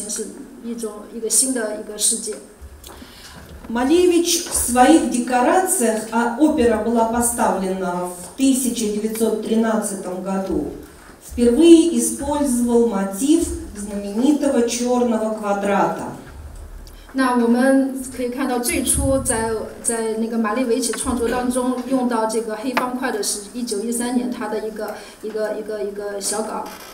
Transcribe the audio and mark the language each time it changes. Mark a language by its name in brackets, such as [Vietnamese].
[Chinese] 这个话剧当中给当时的俄罗斯观众展示的是一个他们从来没有看到过的艺术形式，一个新的世界。 [Russian] Малевич в своих декорациях, а опера была поставлена в 1913 году, впервые использовал мотив знаменитого черного квадрата. [Chinese] 那我们可以看到，最初在那个马列维奇创作当中用到这个黑方块的是1913年他的一个小稿。